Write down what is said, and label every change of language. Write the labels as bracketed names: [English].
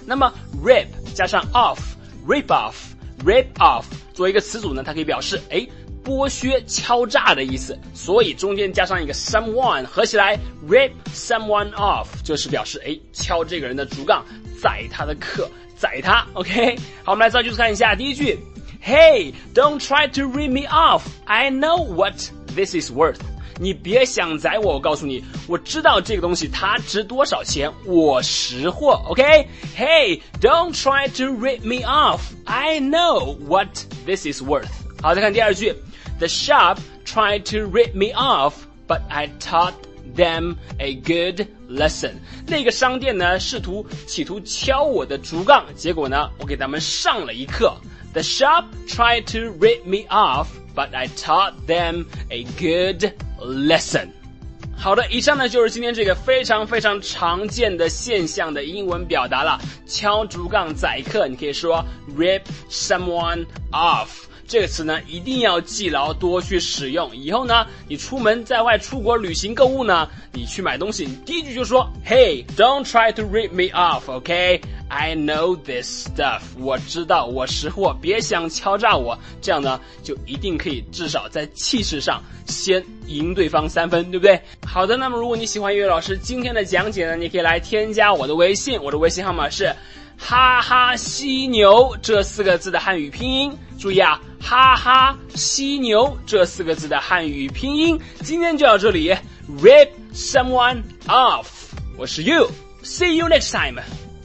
[Chinese] 那么 Rip 加上 offRip off, rip off 作为一个词组呢，它可以表示剥削敲诈的意思，所以中间加上一个 someone， 合起来 rip someone off 就是表示敲这个人的竹杠，宰他的客，宰他。 OK， 好，我们来造句子看一下。第一句， [English] Hey, don't try to rip me off, I know what this is worth。 [Chinese] 你别想宰我，我告诉你，我知道这个东西它值多少钱，我识货。 [English] OK， Hey, don't try to rip me off, I know what this is worth。 [Chinese] 好，再看第二句， [English] The shop tried to rip me off, but I taught them a good lesson。 [Chinese] 那个商店呢企图敲我的竹杠，结果呢我给他们上了一课。 [English] The shop tried to rip me off, but I taught them a good lesson。 [Chinese] 好的，以上呢就是今天这个非常非常常见的现象的英文表达了，敲竹杠宰客，你可以说 rip someone off， 这个词呢一定要记牢，多去使用。以后呢你出门在外出国旅行购物呢，你去买东西，你第一句就说 [English] Hey, don't try to rip me off, OK? I know this stuff， [Chinese] 我知道，我识货，别想敲诈我，这样呢就一定可以至少在气势上先赢对方三分，对不对？好的，那么如果你喜欢岳岳老师今天的讲解呢，你可以来添加我的微信，我的微信号码是哈哈犀牛这四个字的汉语拼音，注意啊，哈哈犀牛这四个字的汉语拼音。今天就到这里， [English] Rip someone off， [Chinese] 我是 [English] You， See you next time。